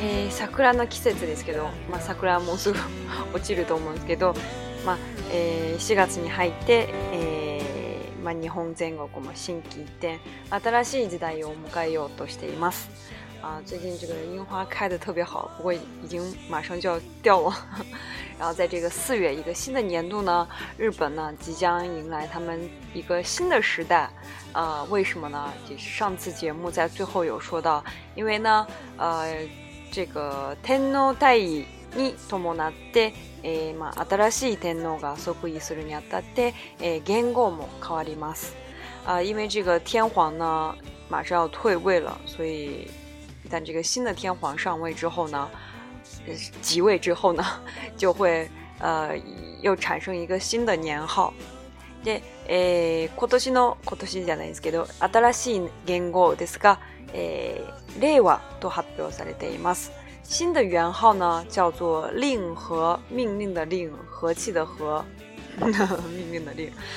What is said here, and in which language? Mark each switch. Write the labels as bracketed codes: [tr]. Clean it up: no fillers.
[ja] 桜の季節ですけど、まあ、桜はもうすぐ落ちると思うんですけど、まあ4月に入って、まあ、日本全国も新規一点新しい時代を迎えようとしています。 [zh] 啊，最近这个樱花开得特别好，不过已经马上就要掉了。然后在这个四月，一个新的年度呢，日本呢即将迎来他们一个新的时代。为什么呢？就是上次节目在最后有说到，因为呢，这个天皇退位 [ja] に伴って、まあ新しい天皇が即位するにあたって、言語も変わります。 [zh] 啊，因为这个天皇呢马上要退位了，所以。但这个新的天皇上位之后呢，即位之后呢，就会又产生一个新的年号。 [ja] で、今年じゃないですけど、新しい元号ですが、令和と発表されています。 [zh] 新的元号呢叫做令和，命令的令，和气的和，命令的令。